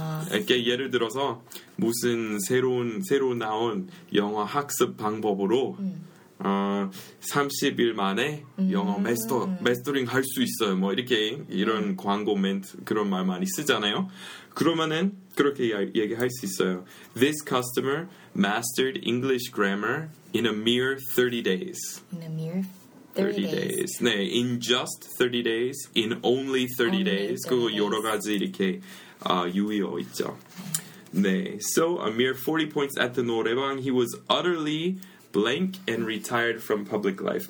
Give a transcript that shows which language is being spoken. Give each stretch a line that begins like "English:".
Korean: 이렇게 예를 들어서 무슨 새로 나온 영어 학습 방법으로 30일 만에 영어 마스터링 할 수 있어요. 뭐 이렇게 이런 광고 멘트 그런 말 많이 쓰잖아요. 그러면은 그렇게 얘기할 수 있어요.
English: This customer mastered English grammar in a mere 30 days. In a mere 30 days. 네, in just 30 days, in only 30 days.
Korean: 그리고 여러 가지 이렇게 유의어 있죠.
English: 네, so a mere 40 points at the 노래방, he was utterly blank and retired from public life.